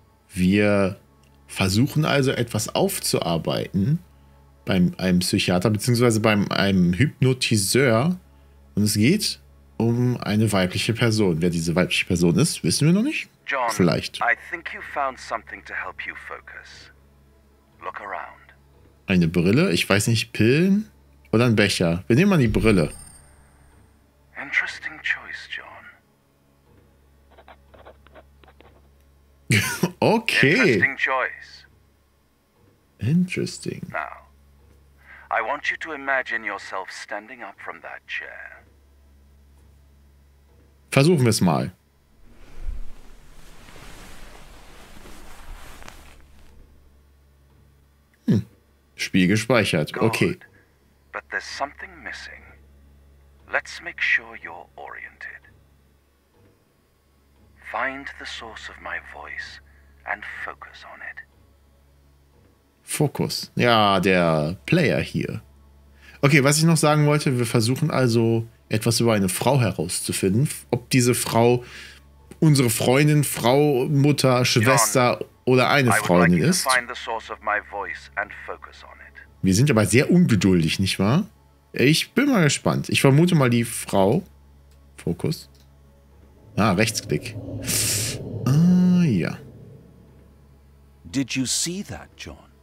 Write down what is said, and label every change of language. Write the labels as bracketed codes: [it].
[de] Wir versuchen also etwas aufzuarbeiten beim einem Psychiater bzw. beim einem Hypnotiseur. Und es geht um eine weibliche Person. Wer diese weibliche Person ist, wissen wir noch nicht. John, vielleicht. [en] I think you found something to help you focus. Look around. [de] Eine Brille? Ich weiß nicht, Pillen? Oder ein Becher? Wir nehmen mal die Brille. [en] Interesting choice, John. Okay. Interesting choice. Interesting. Now, I want you to imagine yourself standing up from that chair. [de] Versuchen wir es mal. Spiel gespeichert. Okay. [en] Good. But there's something missing. Let's make sure you're oriented. Find the source of my voice and focus on it. [de] Fokus. Ja, der Player hier. Okay, was ich noch sagen wollte, wir versuchen also etwas über eine Frau herauszufinden. Ob diese Frau unsere Freundin, Frau, Mutter, Schwester oder eine Freundin ist. [en] Find the source of my voice and focus on it. [de] Wir sind aber sehr ungeduldig, nicht wahr? Ich bin mal gespannt. Ich vermute mal die Frau. Fokus. Ah, Rechtsklick. Ah, ja. [en] Did you see that, John?